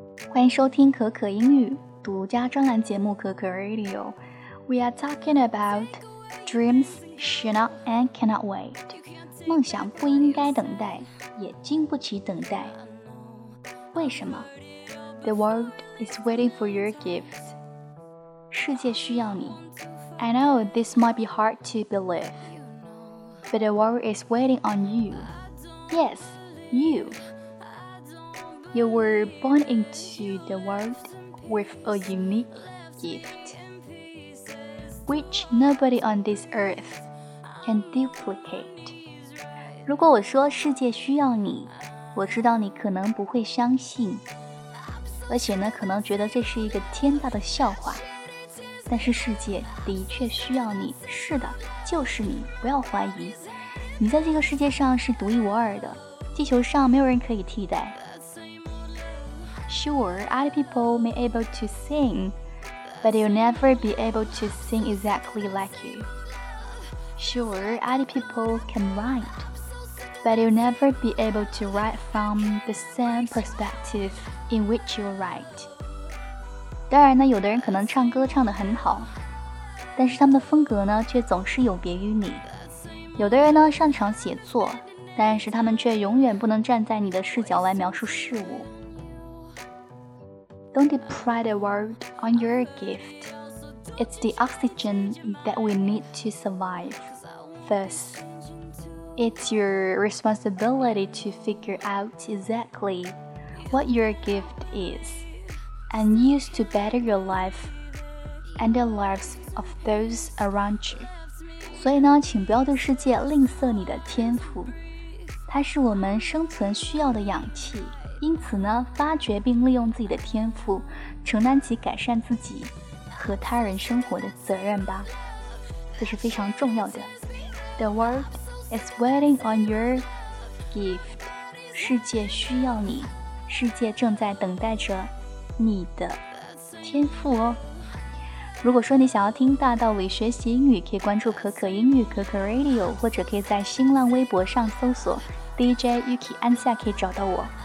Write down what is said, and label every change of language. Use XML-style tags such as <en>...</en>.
<zh>欢迎收听可可英语独家专栏节目可可 Radio。</zh> <en>We are talking about dreams should not and cannot wait.</en> <zh>梦想不应该等待，也经不起等待。为什么？</zh> <en>The world is waiting for your gifts.</en> <zh>世界需要你。</zh> <en>I know this might be hard to believe, but the world is waiting on you. Yes, you. You were born into the world with a unique gift, which nobody on this earth can duplicate.</en> <zh>如果我说世界需要你，我知道你可能不会相信，而且呢，可能觉得这是一个天大的笑话。但是世界的确需要你，是的，就是你，不要怀疑。你在这个世界上是独一无二的，地球上没有人可以替代。</zh> <en>Sure, other people may be able to sing, but they'll never be able to sing exactly like you. Sure, other people can write, but they'll never be able to write from the same perspective in which you write.</en> <zh>当然呢，有的人可能唱歌唱得很好，但是他们的风格呢，却总是有别于你。有的人呢，擅长写作，但是他们却永远不能站在你的视角来描述事物。</zh> <en>Don't deprive the world on your gift. It's the oxygen that we need to survive. Thus, it's your responsibility to figure out exactly what your gift is and use to better your life and the lives of those around you.</en> <zh>所以呢，请不要对世界吝啬你的天赋，它是我们生存需要的氧气。因此呢，发掘并利用自己的天赋，承担起改善自己和他人生活的责任吧，这是非常重要的。</zh> <en>The world is waiting on your gift.</en> <zh>世界需要你，世界正在等待着你的天赋哦。如果说你想要听大道理学习英语，可以关注可可英语可可 Radio， 或者可以在新浪微博上搜索 DJ Yuki 安夏，可以找到我。</zh>